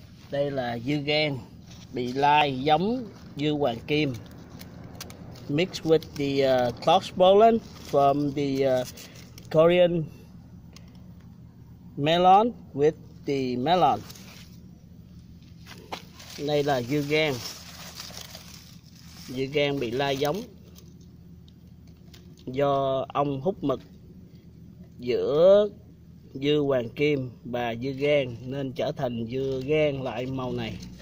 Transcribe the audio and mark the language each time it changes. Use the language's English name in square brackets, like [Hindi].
[Vietnamese] Đây là dưa gan bị lai giống dưa hoàng kim. [English] Mixed with the cross pollen from the Korean melon with the melon. [Vietnamese] Đây là dưa gan. Dưa gan bị lai giống do ong hút mật giữa dưa hoàng kim và dưa gan nên trở thành dưa gan lại màu này.